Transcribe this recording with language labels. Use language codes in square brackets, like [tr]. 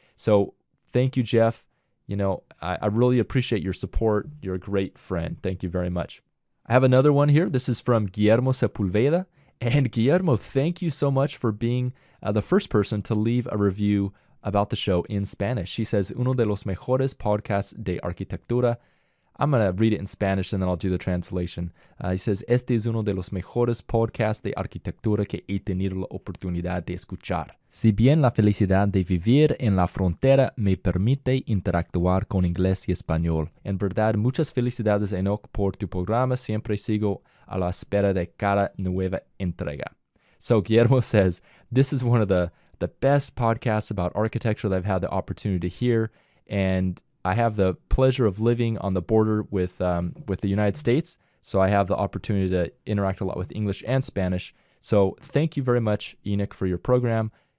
[en] So thank you, Jeff. You know, I really appreciate your support. You're a great friend. Thank you very much. I have another one here. This is from Guillermo Sepulveda. And Guillermo, thank you so much for being the first person to leave a review about the show in Spanish. She says, [es] uno de los mejores podcasts de arquitectura. [en] I'm going to read it in Spanish and then I'll do the translation. He says, [es] este es uno de los mejores podcasts de arquitectura que he tenido la oportunidad de escuchar. Si bien la felicidad de vivir en la frontera me permite interactuar con inglés y español. En verdad, muchas felicidades, Enoch, por tu programa. Siempre sigo a la espera de cada nueva entrega. [en] So Guillermo says, this is one of the best podcasts about architecture that I've had the opportunity to hear. And I have the pleasure of living on the border with the United States. So I have the opportunity to interact a lot with English and Spanish. So thank you very much, Enoch, for your program.